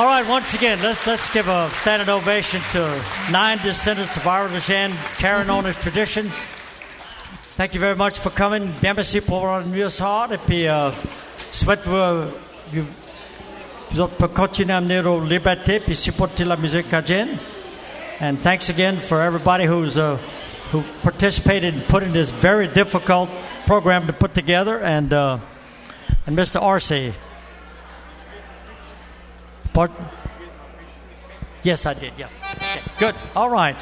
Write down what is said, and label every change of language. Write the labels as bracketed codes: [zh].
[en] Once again, let's give a standing ovation to nine descendants of Ira LaJean carrying on his tradition. Thank you very much for coming. [fr] Bien merci pour venir ce soir. Et puis, je souhaite vous, vous pour continuer à amener vos libertés et supporter la musique cajienne. [en] And thanks again for everybody who's who participated in putting this very difficult program to put together. And Mr. Arce. Pardon? Yes, I did. Yeah. Okay. Good. All right.